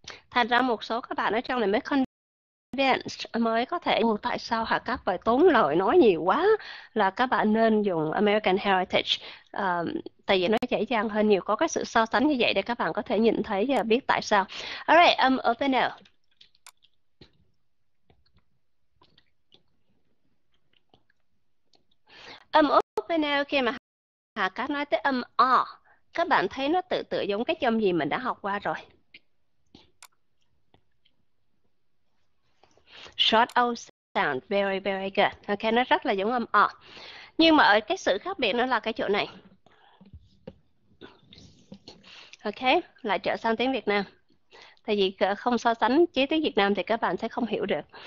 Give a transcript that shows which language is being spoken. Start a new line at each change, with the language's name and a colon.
Vietnamese: Thành ra một số các bạn ở trong này mới con Vance mới có thể ồ, tại sao Hà Cát phải tốn lời nói nhiều quá, là các bạn nên dùng American Heritage tại vì nó dễ dàng hơn nhiều, có cái sự so sánh như vậy để các bạn có thể nhìn thấy và biết tại sao.
English: Alright, open L.
Vietnamese: Open L khi mà Hà Cát nói tới âm O, các bạn thấy nó tự tự giống cái âm gì mình đã học qua rồi.
English: Short O sound, very very good.
Vietnamese: Ok, nó rất là giống âm O. Nhưng mà ở cái sự khác biệt nó là cái chỗ này. Ok, lại trở sang tiếng Việt Nam. Tại vì không so sánh chứ tiếng Việt Nam thì các bạn sẽ không hiểu được.